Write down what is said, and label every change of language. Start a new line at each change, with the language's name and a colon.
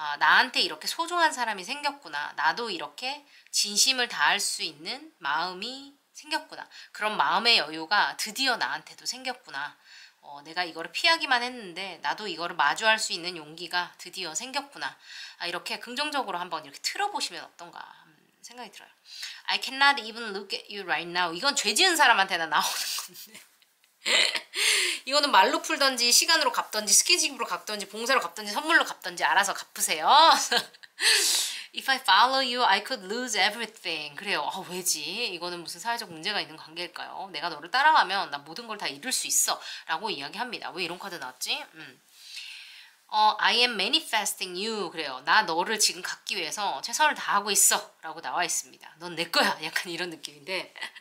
Korean: 아, 나한테 이렇게 소중한 사람이 생겼구나. 나도 이렇게 진심을 다할 수 있는 마음이 생겼구나. 그런 마음의 여유가 드디어 나한테도 생겼구나. 내가 이거를 피하기만 했는데 나도 이거를 마주할 수 있는 용기가 드디어 생겼구나. 아, 이렇게 긍정적으로 한번 이렇게 틀어보시면 어떤가 생각이 들어요.
English: I cannot even look at you right now.
Korean: 이건 죄 지은 사람한테나 나오는 건데. 이거는 말로 풀던지 시간으로 갚던지 스킨십으로 갚던지 봉사로 갚던지 선물로 갚던지 알아서 갚으세요.
English: If I follow you, I could lose everything.
Korean: 그래요. 아, 왜지? 이거는 무슨 사회적 문제가 있는 관계일까요? 내가 너를 따라가면 나 모든 걸다 잃을 수 있어. 라고 이야기합니다. 왜 이런 카드 나왔지?
English: I am manifesting you.
Korean: 그래요. 나 너를 지금 갖기 위해서 최선을 다하고 있어. 라고 나와 있습니다. 넌내 거야. 약간 이런 느낌인데.